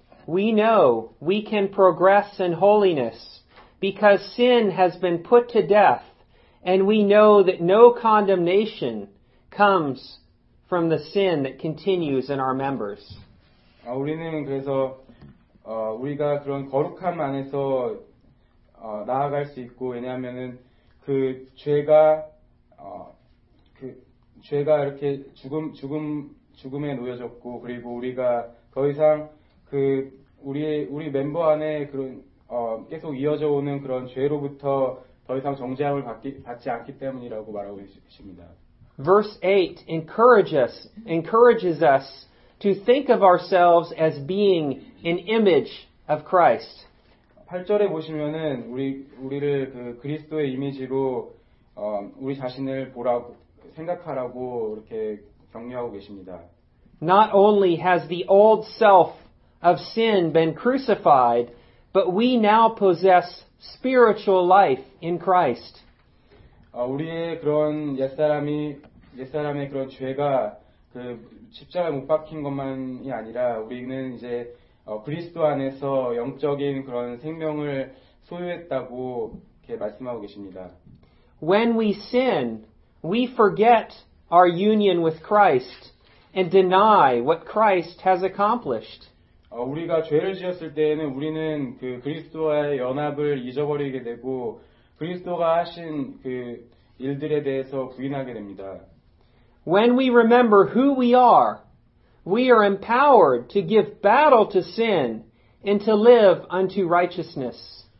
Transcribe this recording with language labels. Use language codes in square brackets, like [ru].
[en] We know we can progress in holiness because sin has been put to death and we know that no condemnation comes from the sin that continues in our members. [ko] 우리는 그래서 우리가 그런 거룩함 안에서 나아갈 수 있고 왜냐하면은 그 죄가 죄가 이렇게 죽음에 놓여졌고 그리고 우리가 더 이상 우리 멤버 안에 그런 계속 이어져 오는 그런 죄로부터 더 이상 정죄함을 받지 않기 때문이라고 말하고 있습니다. [en] Verse 8 encourages us to think of ourselves as being an image of Christ. [ko] 8절에 보시면은 우리를 그리스도의 이미지로 우리 자신을 보라고 생각하라고 이렇게 격려하고 계십니다. [en] Not only has the old self of sin been crucified, but we now possess spiritual life in Christ. [ko] 우리의 그런 옛사람의 그런 죄가 십자가에 못 박힌 것만이 아니라 우리는 이제 그리스도 안에서 영적인 그런 생명을 소유했다고 이렇게 말씀하고 계십니다. [en] When we sin, we forget our union with Christ and deny what Christ has accomplished. [ko] 우리가 죄를 지었을 때에는 우리는 그리스도와의 연합을 잊어버리게 되고 그리스도가 하신 그 일들에 대해서 부인하게 됩니다. [en] When we remember who we are empowered to give battle to sin and to live unto righteousness.